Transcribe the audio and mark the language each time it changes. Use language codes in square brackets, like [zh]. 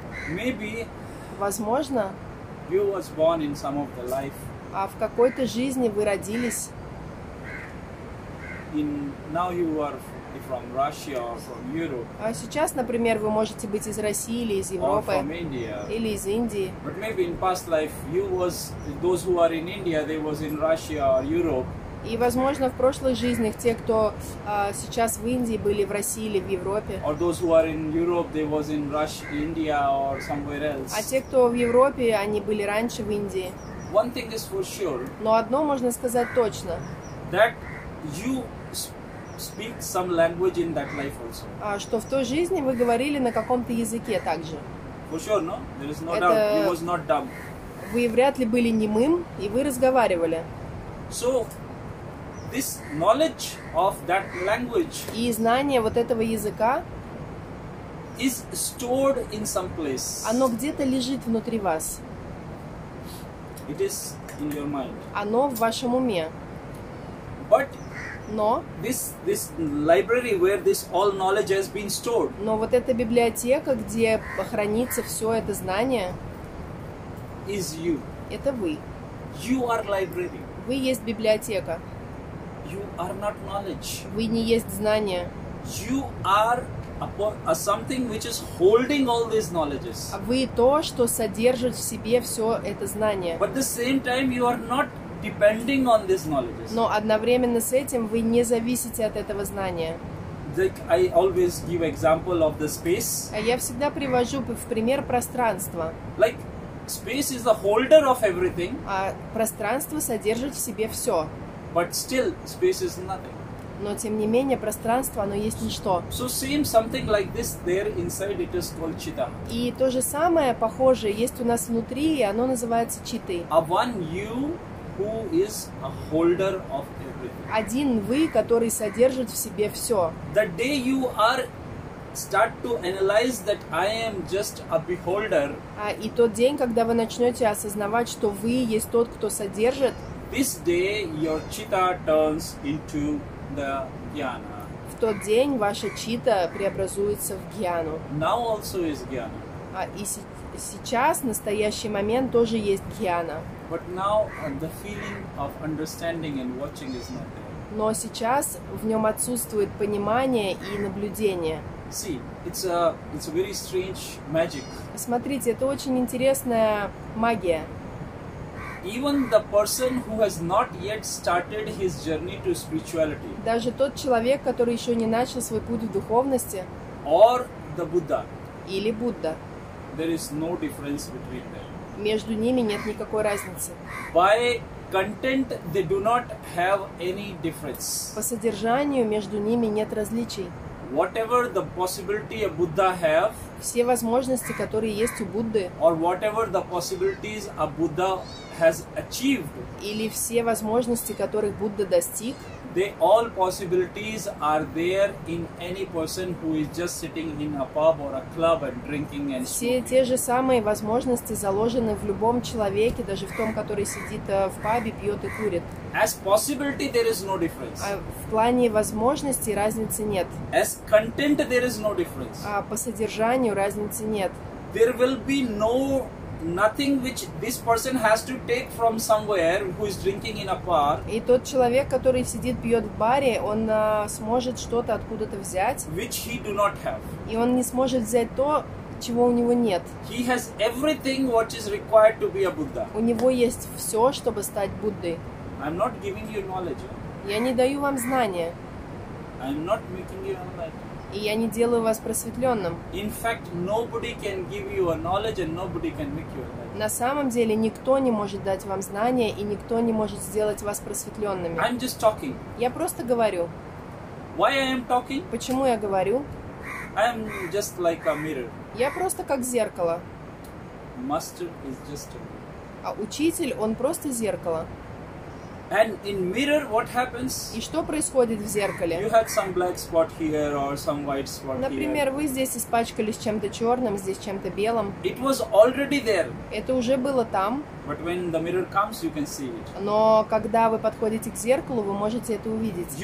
[en] Maybe, [ru] возможно, [en] you was born in some of the life. [ru] А в какой-то жизни вы родились. [en] In, now you are from Russia or from Europe. [ru] А сейчас, например, вы можете быть из России или из Европы, [en] or from India. [ru] Или из Индии. [en] But maybe in past life you was those who are in India, they was in Russia or Europe. [ru] И, возможно, в прошлых жизнях те, кто сейчас в Индии были в России или в Европе. [en] Or those who are in Europe, they was in Russia, India or somewhere else. [ru] А те, кто в Европе, они были раньше в Индии. [en] One thing is for sure. [ru] Но одно можно сказать точно. [en] That you speak some language in that life also. [ru] А что в той жизни вы говорили на каком-то языке также? [en] For sure, no. There is no doubt. You was not dumb. [ru] Вы вряд ли были немым и вы разговаривали. [en] So this knowledge of that language. [ru] И знание вот этого языка. [en] Is stored in some place. [ru] Оно где-то лежит внутри вас. [en] It is in your mind. [ru] Оно в вашем уме. [en] But. [ru] Но [en] this library where this all knowledge has been stored. [ru] Но вот эта библиотека, где хранится все это знание, [en] is you. [ru] Это вы. [en] You are library. [ru] Вы есть библиотека. [en] You are not knowledge. [ru] Вы не есть знание. [en] You are a something which is holding all these knowledges. [ru] А вы то, что содержит в себе все это знание. [en] But at the same time, you are not. Depending on these knowledges. [ru] Но одновременно с этим вы не зависите от этого знания. [en] Like I always give example of the space. [ru] А я всегда привожу в пример пространство. [en] Like space is the holder of everything. [ru] А пространство содержит в себе все. [en] But still, space is nothing. [ru] Но тем не менее пространство, оно есть ничто. [en] So same something like this there inside it is called chitta. [ru] И то же самое похожее есть у нас внутри, и оно называется читой. [en] A one you. Who is a holder of everything? [ru] Один вы, который содержит в себе все. [en] The day you are start to analyze that I am just a beholder. [ru] А и тот день, когда вы начнете осознавать, что вы есть тот, кто содержит. [en] This day your chitta turns into the jnana. [ru] В тот день ваша чита преобразуется в гьяну. [en] Now also is jnana. [ru] А и сейчас, в настоящий момент, тоже есть гьяна. [en] But now the feeling of understanding and watching is not there. [ru] Но сейчас в нем отсутствует понимание и наблюдение. [en] See, it's a very strange magic. [ru] Смотрите, это очень интересная магия. [en] Even the person who has not yet started his journey to spirituality. [ru] Даже тот человек, который еще не начал свой путь в духовности. [en] Or the Buddha. [ru] Или Будда. [en] There is no difference between them. [ru] Между ними нет никакой разницы. [en] By content, they do not have any difference. [ru] По содержанию между ними нет различий. [en] whatever the possibility a Buddha have, [ru] все возможности, которые есть у Будды, [en] or whatever the possibilities a Buddha has achieved, [ru] или все возможности, которых Будда достиг, [en] they all possibilities are there in any person who is just sitting in a pub or a club and drinking and [ru] Все те же самые возможности заложены в любом человеке, даже в том, который сидит в пабе, пьет и курит. [en] As possibility, there is no difference. [ru] А в плане возможностей разницы нет. [en] As content, there is no difference. [ru] А по содержанию разницы нет. [en] There will be no nothing which this person has to take from somewhere who is drinking in a bar. [ru] И тот человек, который сидит пьет в баре, он сможет что-то откуда-то взять, [en] which he do not have. [ru] И он не сможет взять то, чего у него нет. [en] He has everything what is required to be a Buddha. [ru] У него есть все, чтобы стать Буддой. [en] I'm not giving you knowledge. [ru] Я не даю вам знания. [en] I'm not making you enlightened. [ru] И я не делаю вас просветленным. [en] In fact, nobody can give you a knowledge and nobody can make you enlightened. [ru] На самом деле, никто не может дать вам знания и никто не может сделать вас просветленными. [en] I'm just talking. [ru] Я просто говорю. [en] Why I am talking? [ru] Почему я говорю? [en] I am just like a mirror. [ru] Я просто как зеркало. [en] Master is just a mirror. [ru] А учитель, он просто зеркало. [en] And in mirror, what happens? [ru] И что происходит в зеркале? [en] You had some black spot here or some white spot here. [ru] Например, вы здесь испачкались чем-то черным, здесь чем-то белым. [en] It was already there. [ru] Это уже было там. [en] But when the mirror comes, you can see it. [ru] Но когда вы подходите к зеркалу, вы можете это увидеть.